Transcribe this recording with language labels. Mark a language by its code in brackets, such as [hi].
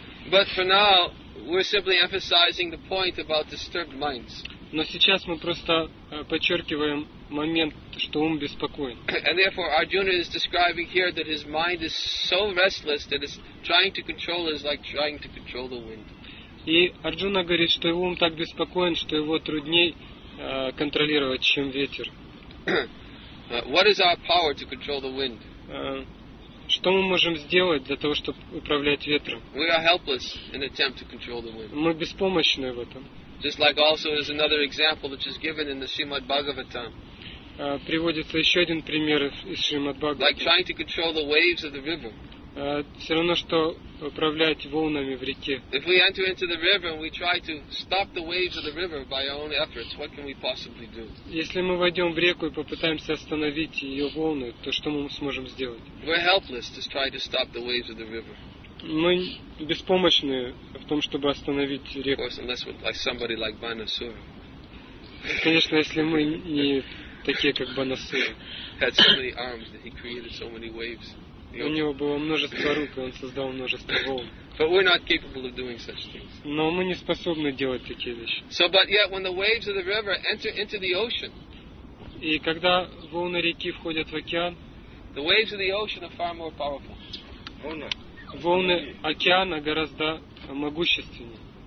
[en] But for now, we're simply emphasizing the point about disturbed minds. [ru] Но сейчас мы просто подчеркиваем момент, что ум беспокоен. [en] And therefore, Arjuna is describing here that his mind is so restless that it's trying to control is like trying to control the wind. [ru] И Арджуна говорит, что его ум так беспокоен, что его трудней контролировать, чем ветер. [en] What is our power to control the wind? [ru] Что мы можем сделать для того, чтобы управлять ветром? [en] We are helpless in attempt to control the wind. [ru] Мы беспомощны в этом. [en] Just like also is another example which is given in the Srimad Bhagavatam. [ru] Приводится еще один пример из Шримад Бхагаватам. [en] Like trying to control the waves of the river. [ru] Все равно, что управлять волнами в реке. [en] If we enter into the river and we try to stop the waves of the river by our own efforts, what can we possibly do? [ru] Если мы войдем в реку и попытаемся остановить ее волны, то что мы сможем сделать? [en] We're helpless to try to stop the waves of the river. [ru] Мы беспомощны в том, чтобы остановить реку. [en] Of course, unless we're like somebody like Banasura. [ru] Конечно, если мы не такие, как Банасура. [en] Had so many arms that he created so many waves. [ru] У него было множество рук, и он создал множество волн. [en] But we're not capable of doing such things. [ru] Но мы не способны делать такие вещи. [en] So, but yet, when the waves of the river enter into the ocean. [ru] И когда волны реки входят в океан. [en] The waves of the ocean are far more powerful. [ru] Волны океана гораздо могущественнее.